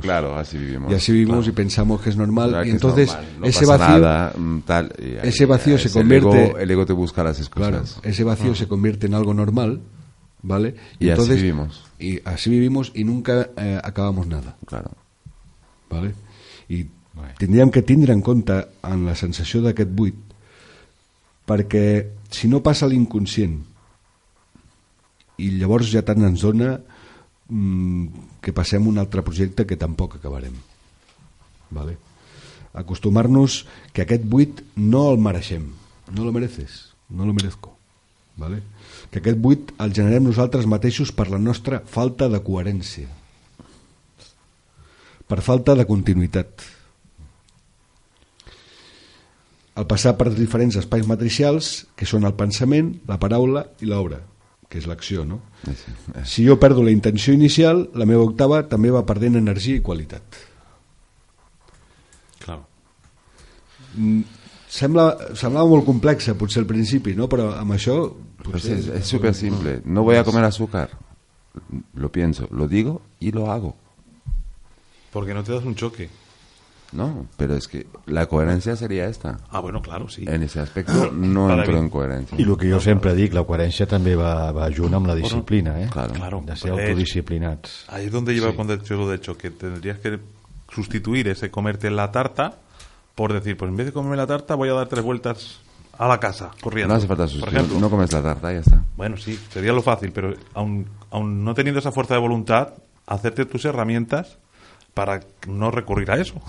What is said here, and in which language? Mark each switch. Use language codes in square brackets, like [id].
[es] Claro, así vivimos. Y así vivimos y pensamos que es normal. Y entonces ese vacío, tal. Ese vacío se convierte. El ego te busca las excusas. Claro, ese vacío se convierte en algo normal, ¿vale? Y entonces, así vivimos. Y así vivimos y nunca acabamos nada. Claro, ¿vale? [ca] Y tindríem que tindre en compte en la sensació d'aquest buit, perquè si no passa l'inconscient i llavors ja tant ens dona que passem a un altre projecte que tampoc acabarem. Vale. Acostumar-nos que aquest buit no el mereixem. [es] No lo mereces, no lo merezco. Vale. [ca] Que aquest buit el generem nosaltres mateixos per la nostra falta de coherència. Per falta de continuïtat. Al passar per diferents espais matricials, que són el pensament, la paraula i l'obra, que és l'acció, no? Si jo perdo la intenció inicial, la meva octava també va perdent energia i qualitat. Clar. Semblava molt complexa, potser al principi, no? Però amb això... És supersimple. [es] No voy a comer azúcar. Lo pienso, lo digo y lo hago. Porque no te das un choque. No, pero es que la coherencia sería esta. Ah, bueno, claro, sí. En ese aspecto no para entro mí. En coherencia. [ca] I el que jo sempre dic, la coherència també va junt amb la disciplina, eh? [es] Claro. Claro. [ca] De ser autodisciplinats. [es] Ahí es donde lleva sí. Cuando yo lo he dicho, que tendrías que sustituir ese comerte la tarta por decir, pues en vez de comerme la tarta voy a dar tres vueltas a la casa, corriendo. No hace falta sustituir, no comes la tarta, ya está. Bueno, sí, sería lo fácil, pero aun no teniendo esa fuerza de voluntad, hacerte tus herramientas para no recurrir a eso.